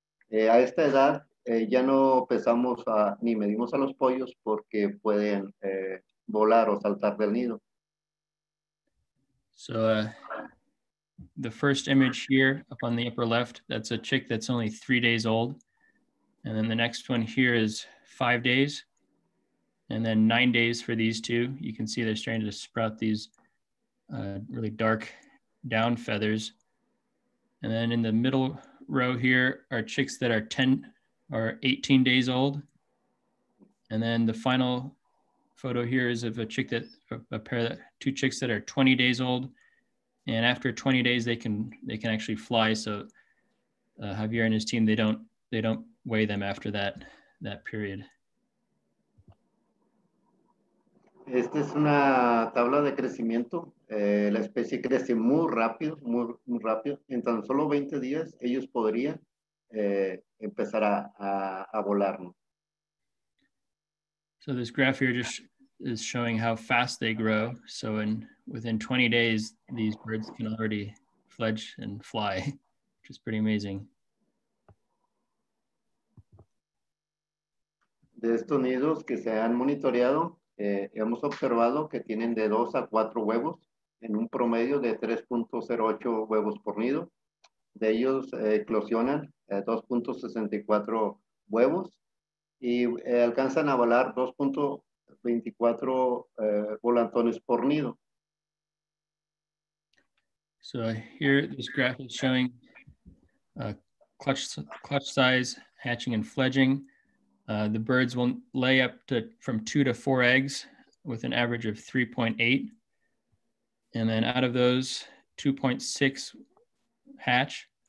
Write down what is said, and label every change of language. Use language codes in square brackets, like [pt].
[es] A esta edad ya no pesamos ni medimos a los pollos porque pueden volar o saltar del nido. [en] So, the first image here up on the upper left, that's a chick that's only 3 days old. And then the next one here is 5 days. And then 9 days for these two. You can see they're starting to sprout these really dark down feathers. And then in the middle row here are chicks that are 18 days old. And then the final photo here is of two chicks that are 20 days old. And after 20 days, they can actually fly. So Javier and his team, they don't weigh them after that period. [es] Esta es una tabla de crecimiento. La especie crece muy rápido, muy, muy rápido. En tan solo 20 días, ellos podrían empezar a volar. [en] So this graph here just is showing how fast they grow. So within 20 days, these birds can already fledge and fly, which is pretty amazing. [es] De estos nidos que se han monitoreado, hemos observado que tienen de 2 a 4 huevos en un promedio de 3.08 huevos por nido. De ellos eclosionan 2.64 huevos y alcanzan a volar 2.24 volantones por nido. [en] So here, this graph is showing clutch size, hatching and fledging. The birds will lay up to from 2 to 4 eggs with an average of 3.8. And then out of those, 2.6 hatch.